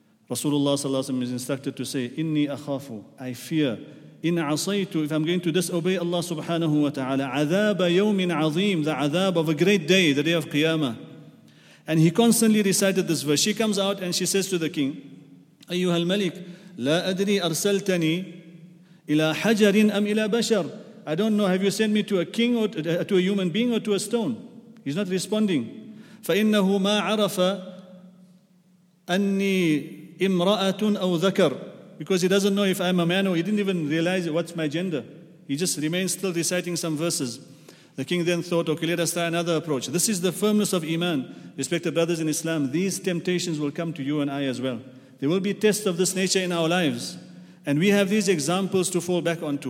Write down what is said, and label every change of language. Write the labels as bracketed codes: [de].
[en] Rasulullah sallallahu alayhi wa sallam is instructed to say, [ar] إِنِّي أَخَافُ, [en] I fear, [ar] إِنْ عَصَيْتُ, [en] if I'm going to disobey Allah subhanahu wa ta'ala, [ar] عَذَابَ يَوْمٍ عَظِيمٍ, [en] the azab of a great day, the day of Qiyamah. And he constantly recited this verse. She comes out and she says to the king, [ar] أَيُّهَا الْمَلِكُ لا أدري أرسلتني إلى حجر أم إلى بشر. [en] I don't know. Have you sent me to a king or to a human being or to a stone? He's not responding. [ar] فإنه ما عرف أني امرأة أو ذكر. [en] Because he doesn't know if I'm a man or he didn't even realize what's my gender. He just remains still reciting some verses. The king then thought, okay, let us try another approach. This is the firmness of iman, respected brothers in Islam. These temptations will come to you and I as well. There will be tests of this nature in our lives. And we have these examples to fall back onto.